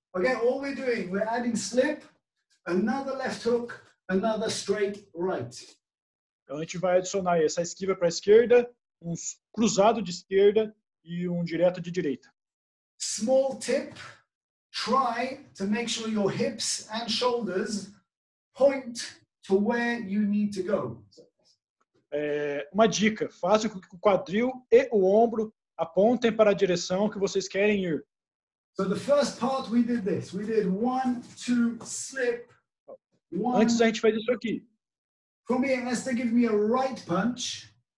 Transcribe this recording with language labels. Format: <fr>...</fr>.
<en>Okay, all we're doing, we're adding slip, another left hook, another straight right.</en> <pt>Então, a gente vai adicionar essa esquiva para a esquerda, cruzado de esquerda e direto de direita.</pt> <en>Small tip. Try to make sure your hips and shoulders point to where you need to go.</en> <pt>Uma dica, faça com que o quadril e o ombro apontem para a direção que vocês querem ir.</pt> <en>So the first part we did this. We did 1, 2, slip. One.</en> <pt>Antes a gente fez isso aqui.</pt> <en>For me, it has to give me a right punch.</en>